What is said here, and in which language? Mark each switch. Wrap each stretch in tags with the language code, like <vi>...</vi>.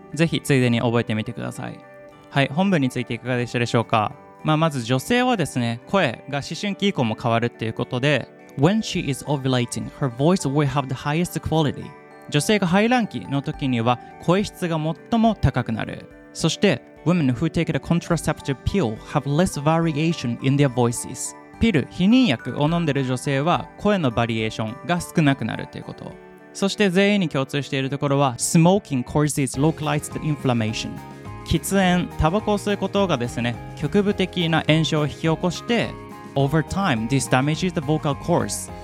<ja>ぜひついでに覚えてみてください。はい、本文についていかがでしたでしょうか。まあ、まず女性はですね、声が思春期以降も変わるっていうことで、</ja> <en>When she is ovulating, her voice will have the highest quality.</en> <ja>女性が排卵期の時には声質が最も高くなる。</ja> <en>そしてWomen who take the contraceptive pill have less variation in their voices.</en> <ja>ピル、避妊薬を飲んでる女性は声のバリエーションが少なくなるということ。そして全員に共通しているところは、</ja> <en>Smoking causes localized inflammation.</en> <ja>喫煙、タバコを吸うことがですね、局部的な炎症を引き起こして、</ja> <en>Over time, this damages the vocal cords.</en>